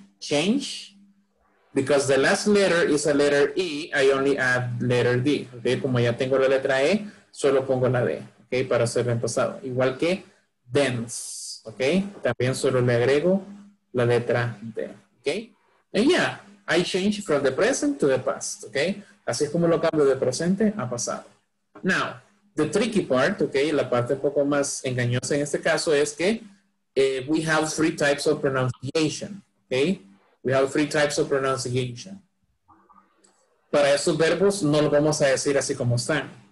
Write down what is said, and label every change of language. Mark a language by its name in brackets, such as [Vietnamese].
[English] Change, because the last letter is a letter e, I only add letter d. [Spanish] Okay, como ya tengo la letra e, solo pongo la d, okay, para ser reemplazado. Igual que dense, okay, también solo le agrego la letra d. [English] Okay, and yeah, I change from the present to the past, okay? [Spanish] Así es como lo cambio de presente a pasado. [English] Now, the tricky part, okay, [Spanish] la parte un poco más engañosa en este caso es que [English] we have three types of pronunciation, okay? We have three types of pronunciation. [Spanish] Para esos verbos no lo vamos a decir así como están.